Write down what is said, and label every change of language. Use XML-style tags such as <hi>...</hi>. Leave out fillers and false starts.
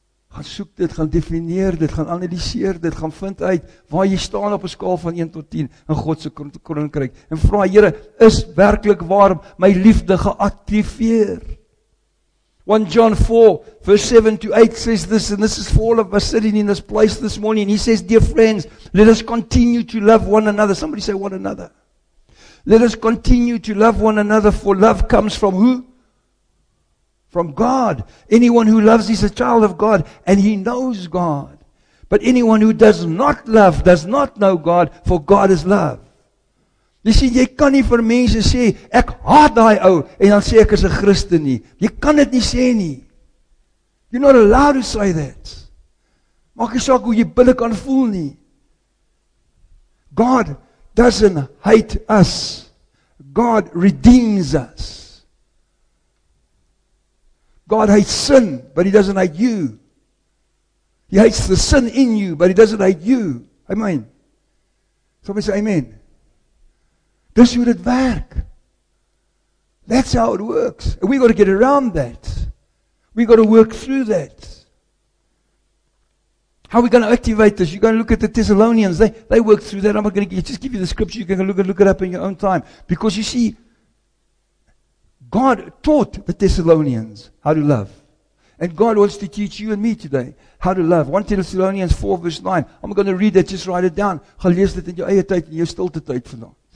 <af>Gaan soek dit, gaan defineer dit, gaan analyseer dit, gaan vind uit waar jy staan op een skaal van 1 tot 10 in Godse koninkryk. En vraag, Here, is werkelijk waar my liefde geactiveer?</af> <en>1 John 4, verse 7 to 8 says this, and this is for all of us sitting in this place this morning. He says, dear friends, let us continue to love one another. Somebody say one another. Let us continue to love one another, for love comes from who? From God. Anyone who loves is a child of God, and he knows God. But anyone who does not love does not know God, for God is love.</en> <af>Jy sê, jy kan nie vir mense sê, ek haat die ou, en dan sê ek is 'n Christen nie. Jy kan dit nie sê nie.</af> <en>You're not allowed to say that.</en> <af>Maak nie saak hoe jy billik kan voel nie.</af> <en>God doesn't hate us. God redeems us. God hates sin, but he doesn't hate you. He hates the sin in you, but he doesn't hate you. Amen. Somebody say amen.</en> <af>Dis hoe dit werk.</af> <en>That's how it works. We got to get around that. We got to work through that. How are we going to activate this? You're going to look at the Thessalonians. They work through that. I'm not going to just give you the scripture. You're going to look it up in your own time. Because you see, God taught the Thessalonians how to love. And God wants to teach you and me today how to love. 1 Thessalonians 4 verse 9. I'm going to read that. Just write it down.</en> <af>Gaan lees dit in jou eie tyd en jou stilte tyd vandaan.</af>